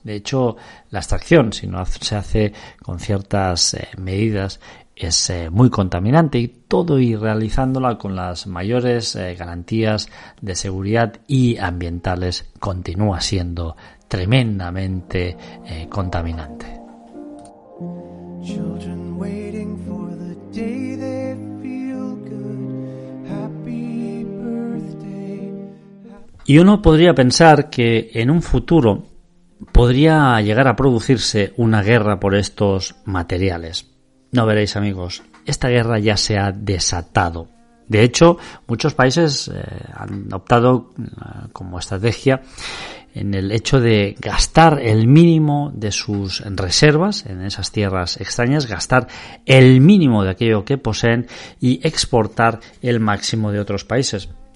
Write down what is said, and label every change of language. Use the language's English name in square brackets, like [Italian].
[Spanish] De hecho, la extracción, si no se hace con ciertas medidas, es muy contaminante, y todo y realizándola con las mayores garantías de seguridad y ambientales continúa siendo tremendamente contaminante. [English] Children waiting for the day they feel good. Happy birthday. [Spanish] Y uno podría pensar que en un futuro podría llegar a producirse una guerra por estos materiales. No, veréis, amigos, esta guerra ya se ha desatado. De hecho, muchos países han optado como estrategia en el hecho de gastar el mínimo de sus reservas en esas tierras extrañas, gastar el mínimo de aquello que poseen y exportar el máximo de otros países.